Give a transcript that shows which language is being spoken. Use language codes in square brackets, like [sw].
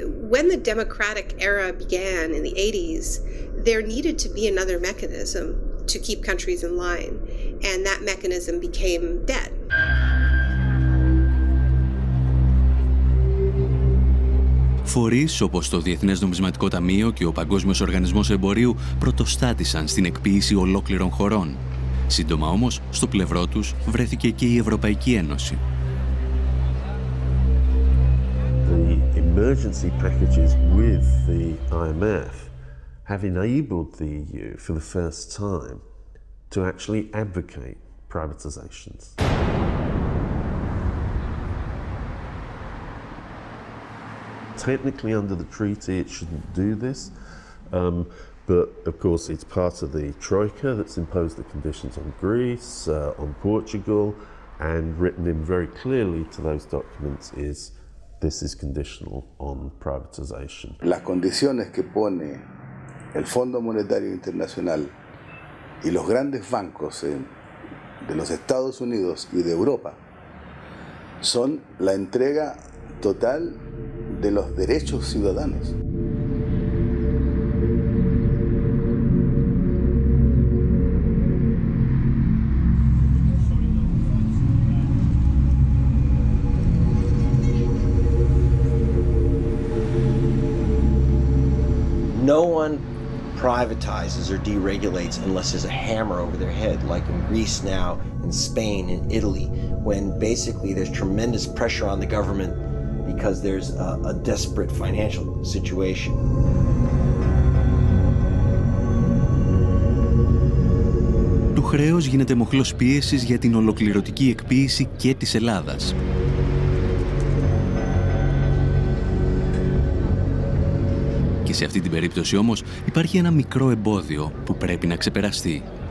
[en] When the democratic era began in the 80s, there needed to be another mechanism to keep countries in line, and that mechanism became debt. [el] Φορείς όπως το Διεθνές Νομισματικό Ταμείο και ο Παγκόσμιος Οργανισμός Εμπορίου πρωτοστάτησαν στην εκποίηση ολόκληρων χωρών. Σύντομα όμως, στο πλευρό τους βρέθηκε και η Ευρωπαϊκή Ένωση. [en] Emergency packages with the IMF have enabled the EU for the first time to actually advocate privatizations. Technically, under the treaty, it shouldn't do this, but of course, it's part of the Troika that's imposed the conditions on Greece, on Portugal, and written in very clearly to those documents is. This is conditional on privatization. [es] Las condiciones que pone el Fondo Monetario Internacional y los grandes bancos de los Estados Unidos y de Europa son la entrega total de los derechos ciudadanos. [en] No one privatizes or deregulates unless there's a hammer over their head, like in Greece now, in Spain, in Italy, when basically there's tremendous pressure on the government because there's a desperate financial situation. [el] Του χρέους γίνεται μοχλός πίεσης για την ολοκληρωτική εκποίηση και της Ελλάδας. Και Και σε αυτή την περίπτωση όμως υπάρχει ένα μικρό εμπόδιο που πρέπει να ξεπεραστεί.